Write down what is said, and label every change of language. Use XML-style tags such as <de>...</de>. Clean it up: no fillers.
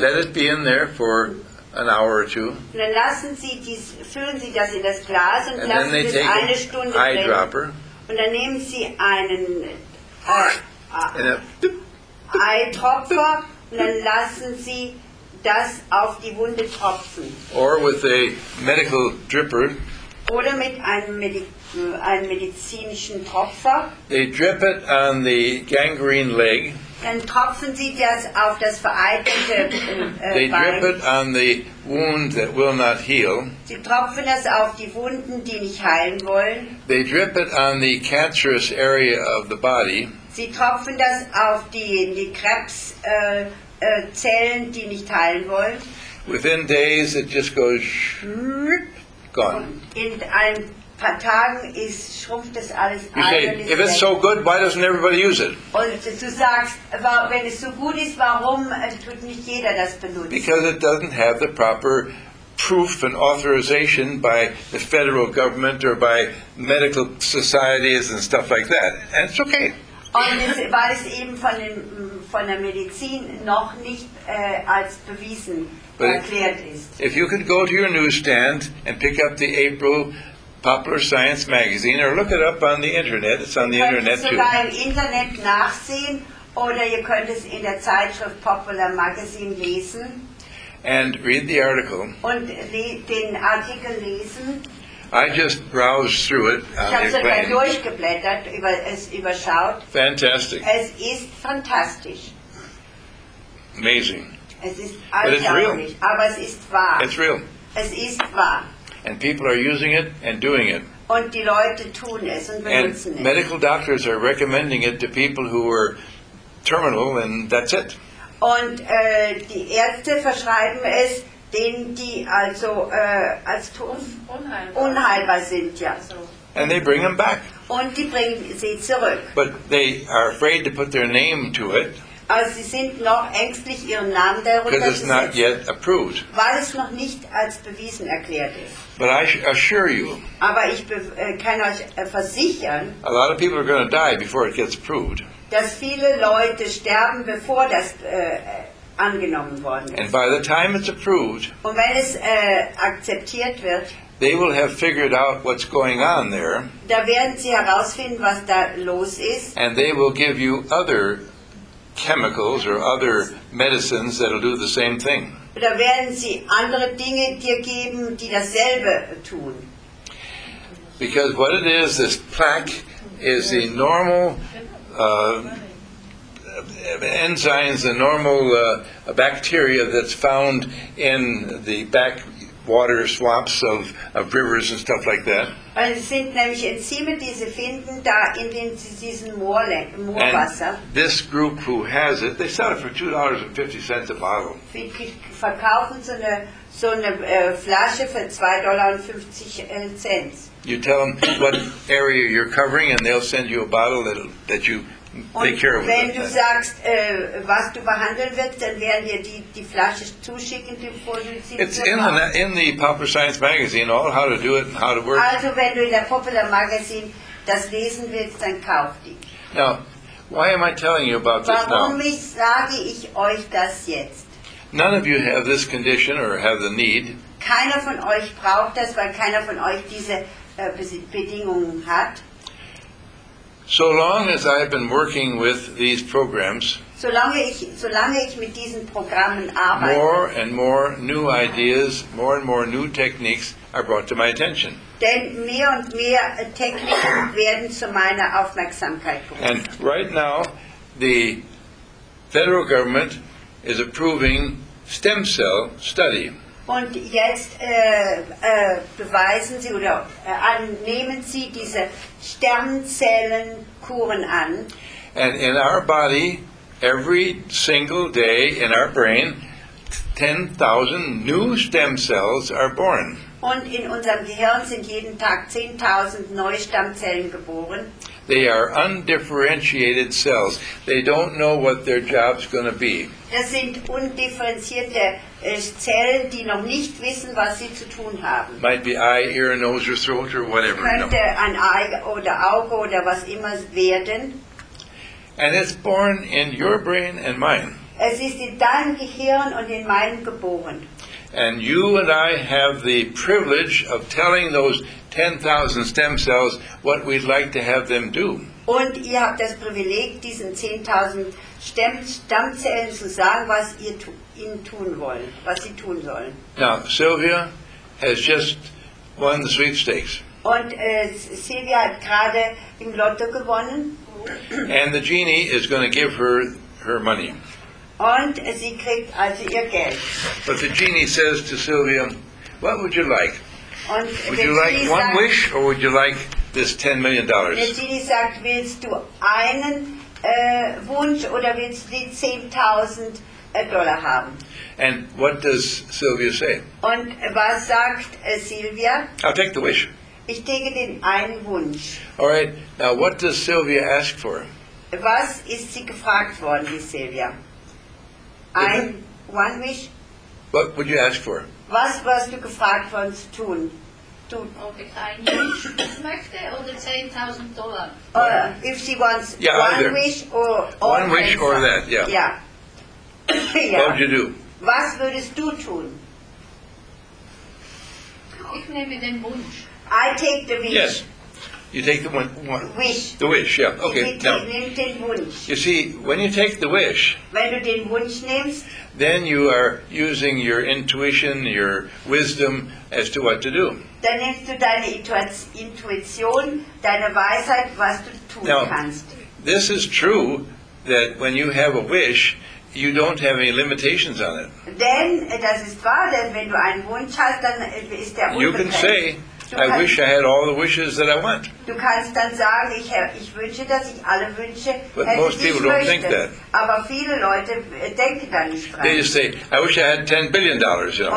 <en>They let it be in there for an hour or two.</en> <de>Und dann lassen sie dies, füllen sie das in das Glas und</de> <en>and</en> <de>lassen es eine Stunde drin.</de> <en>Eyedropper.</en> <de>Und dann nehmen sie einen Eitropfer und dann lassen sie das auf die Wunde tropfen.</de> <en>Or with a medical dripper.</en> <de>Oder mit einem medizinischen Tropfer.</de> <en>They drip it on the gangrene leg.</en> <de>Dann tropfen sie das auf das vereitelte Bein.</de> <en>They drip it on the wound that will not heal.</en> <de>Sie tropfen das auf die Wunden, die nicht heilen wollen.</de> <en>They drip it on the cancerous area of the body.</en> <de>Sie tropfen das auf die Krebszellen, die nicht heilen wollen.</de> <en>Within days it just goes gone.</en> <de>In ein paar Tagen schrumpft das alles ein.</de> <en>Okay, if it's so good, why doesn't everybody use it?</en> <de>Und du sagst, wenn es so gut ist, warum tut nicht jeder das benutzen?</de> <en>Because it doesn't have the proper proof and authorization by the federal government or by medical societies and stuff like that. And it's okay.</en> <de>Und es war es eben von, dem, von der Medizin noch nicht als bewiesen</de> <en>but</en> <de>erklärt ist.</de> <en>If you could go to your newsstand and pick up the April Popular Science Magazine or look it up on the internet, it's on the internet too.</en> <de>Ihr könnt es sogar im Internet nachsehen oder ihr könnt es in der Zeitschrift Popular Magazine lesen.</de> <en>And read the article.</en> <de>Und den Artikel lesen.</de> <en>I just browsed through it.</en> <de>Ich habe sogar durchgeblättert, es überschaut.</de> <en>Fantastic.</en> <de>Es ist fantastisch.</de> <en>Amazing.</en> <de>Es ist erstaunlich, aber es ist wahr.</de> <en>It's real.</en> <de>Es ist wahr.</de> <en>And people are using it and doing it.</en> <de>Und die Leute tun es und benutzen</de> <en>and Medical doctors are recommending it to people who are terminal and that's it.</en> <de>Und die Ärzte verschreiben es denen, die also als unheilbar sind, ja.</de> <en>And they bring them back.</en> <de>Und die bringen sie zurück.</de> <en>But they are afraid to put their name to it.</en> <de>Also sie sind noch ängstlich, ihren Namen darunter zu setzen, weil es noch nicht als bewiesen erklärt ist.</de> <en>But I assure you,</en> <de>aber ich kann euch versichern,</de> <en>a lot of people are going to die before it gets proved.</en> <de>Dass viele Leute sterben, bevor das angenommen worden ist.</de> <en>And by the time it's approved,</en> <de>und wenn es akzeptiert wird,</de> <en>they will have figured out what's going on there,</en> <de>da werden sie herausfinden, was da los ist,</de> <en>and they will give you other chemicals or other medicines that will do the same thing.</en> <de>Oder werden sie andere Dinge dir geben, die dasselbe tun.</de> <en>Because what it is, this plaque is the normal enzymes, the normal bacteria that's found in the back water swamps of rivers and stuff like that.</en> <de>Und es sind nämlich Enzyme, die sie finden, da in diesem Moorwasser.</de> <en>And this group who has it, they sell it for $2.50 a bottle.</en> <de>Sie verkaufen so eine Flasche für $2.50.</de> <en>You tell them what area you're covering and they'll send you a bottle that you take care of.</en> <de>Und wenn du sagst, was du behandeln willst, dann werden dir die Flasche zuschicken, bevor du sie</de> <en>It's in the Popular Science Magazine, all how to do it and how to work.</en> <de>Also wenn du in der Popular Magazine das lesen willst, dann kauf die.</de> <en>Now, why am I telling you about</en> <de>Warum</de> <en>this now?</en> <de>Warum sage ich euch das jetzt?</de> <en>None of you have this condition or have the need.</en> <de>Keiner von euch braucht das, weil keiner von euch diese Bedingungen hat.</de> <en>So long as I've been working with these programs,</en> <de>solange ich mit diesen Programmen arbeite,</de> <en>more and more new ideas, more and more new techniques are brought to my attention.</en> <de>Denn mehr und mehr Techniken werden zu meiner Aufmerksamkeit gerufen.</de> <en>And right now, the federal government is approving stem cell study.</en> <de>Und jetzt beweisen Sie oder annehmen Sie diese Stammzellenkuren an.</de> <en>And in our body, every single day in our brain, 10,000 new stem cells are born.</en> <de>Und in unserem Gehirn sind jeden Tag 10,000 neue Stammzellen geboren.</de> <en>They are undifferentiated cells. They don't know what their job's going to be.</en> <de>Das sind undifferenzierte Zellen, die noch nicht wissen, was sie zu tun haben.</de> <en>Might be eye, ear, nose, or throat, or whatever.</en> <de>Könnte ein Ei oder Auge oder was immer werden.</de> <en>And it's born in your brain and mine.</en> <de>Es ist in deinem Gehirn und in meinem geboren.</de> <en>And you and I have the privilege of telling those 10,000 stem cells what we'd like to have them do.</en> <de>Und ihr habt das Privileg, diesen 10,000 Stammzellen zu sagen, was ihr ihnen tun wollen, was sie tun sollen.</de> <en>Now, Sylvia has just won the sweepstakes.</en> <de>Und Sylvia hat gerade im Lotto gewonnen.</de> <en>And the genie is going to give her money.</en> <de>Und sie kriegt also ihr Geld.</de> <en>But the genie says to Sylvia, what would you like?</en> <de>Und</de> <en>would you like</en> <de>sagt,</de> <en>one wish or would you like this $10 million?</en> <de>Der genie sagt, willst du einen Wunsch oder willst du die $10,000 Dollar haben?</de> <en>And what does Sylvia say?</en> <de>Und was sagt Sylvia?</de> <en>I'll take the wish.</en> <de>Ich denke den einen Wunsch.</de> <en>All right, now what does Sylvia ask for?</en> <de>Was ist sie gefragt worden, die Sylvia?</de> <en>One wish? What would you ask for?</en> <de>Was wirst du gefragt worden zu tun? tun. Ob ich ein Wish möchte oder $10,000.</de> <en>If she wants one wish or that. Yeah. Yeah. Yeah. What would you do?</en> <de>Was würdest du tun? Ich nehme den Wunsch.</de> <en>I take the wish. Yes. You take the one. Wish. The wish, yeah. Okay.</en> <de>Now, den Wunsch.</de> <en>You see, when you take the wish,</en> <de>wenn du den Wunsch nimmst,</de> <en>then you are using your intuition, your wisdom as to what to do.</en> <de>Dann nimmst du deine Intuition, deine Weisheit, was du tun</de> <en>now,</en> <de>kannst.</de> <en>This is true that when you have a wish, you don't have any limitations on it.</en> <de>Denn das ist wahr, denn wenn du einen Wunsch hast, dann ist der unbegrenzt.</de> <en>You can say, I wish I had all the wishes that I want.</en> <de>Du kannst dann sagen, ich wünsche, dass ich alle Wünsche hätte,</de> <en>but most people don't think that.</en> <de>Aber viele Leute denken dann nicht dran.</de> <en>They just say, I wish I had $10 billion, you know.</en>